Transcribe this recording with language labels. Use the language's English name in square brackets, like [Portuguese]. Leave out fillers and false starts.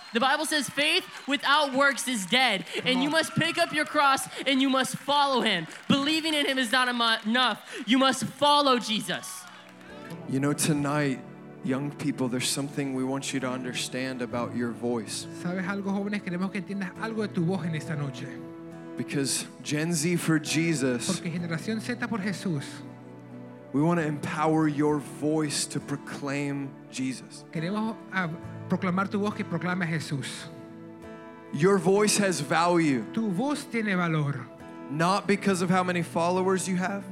[English] The Bible says faith without works is dead. And you must pick up your cross and you must follow him. Believing in him is not enough. You must follow Jesus. You know, tonight, Young people, there's something we want you to understand about your voice. [Spanish] ¿Sabes algo, jóvenes? Queremos que entiendas algo de tu voz en esta noche. [English] Because Gen Z for Jesus. [Spanish] Porque generación Z por Jesús. [English] We want to empower your voice to proclaim Jesus. [Spanish] Queremos proclamar tu voz que proclame a Jesús. [English] Your voice has value. [Spanish] Tu voz tiene valor. [English] Not because of how many followers you have.